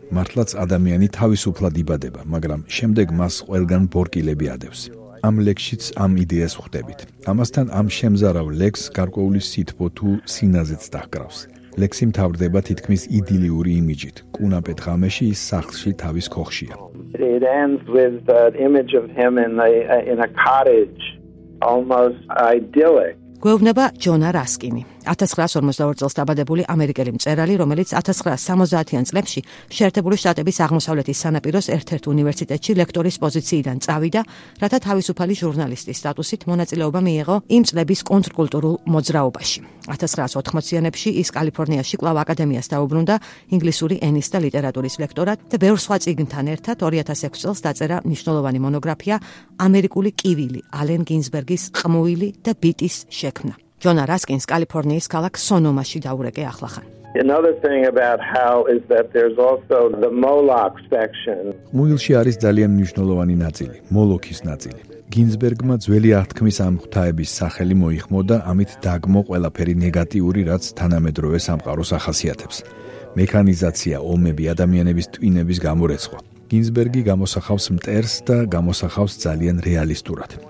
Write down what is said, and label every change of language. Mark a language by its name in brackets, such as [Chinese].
[Georgian] მართლაც ადამიანი თავისუფლად იბადება, მაგრამ შემდეგ მას ყველგან ბორკილები ადევს. ამ ლექსშიც ამ იდეას ხვდებით. ამასთან ამ შემზარავ ლექს გარკვეული სითბო თუ სინაზეც დაჰკრავს. ლექსი მთავრდება თითქმის იდილიური იმიჯით. კუნა პეტღამეში ის სახლში თავის ქოხშია. [English] It ends with the image of him in a cottage, almost idyllic. [Georgian] გვევნება ჯონა რასკინი, 1952 წელს დაბადებული ამერიკელი მწერალი, რომელიც 1970-იან წლებში შეერთებული შტატების აღმოსავლეთის სანაპიროს ერთ-ერთ უნივერსიტეტში ლექტორის პოზიციიდან წავიდა, რათა თავისუფალი ჟურნალისტის სტატუსით მონაწილეობა მიეღო იმ წლების კონტრკულტურულ მოძრაობაში. 1980-იანებში ის კალიფორნიაში კვლავ აკადემიას დაუბრუნდა ინგლისური ენის და ლიტერატურის ლექტორად და ბევრ სხვა წიგნთან ერთად 2006 წელს დაწერა მნიშვნელოვანი მონოგრაფია ამერიკული კივილი, ალენ გინზბერგის ყმუილი და ბიტის შექმნა. ჯონა რასკინს კალიფორნიის ქალაქ სონომაში დაურეკე ახლახან. [English] Another thing about how is that there's also the Moloch section. [Georgian] მუილში არის ძალიან მნიშვნელოვანი ნაწილი, მოლოქის ნაწილი. გინზბერგმა ძველი აღთქმის ამ ღვთაების სახელი მოიხმო და ამით დაგმო ყველაფერი ნეგატიური, რაც თანამედროვე სამყაროს ახასიათებს. მექანიზაცია, ომები, ადამიანების ტვინების გამორეცხვა. გინზბერგი გამოსახავს მტერს და გამოსახავს ძალიან რეალისტურად.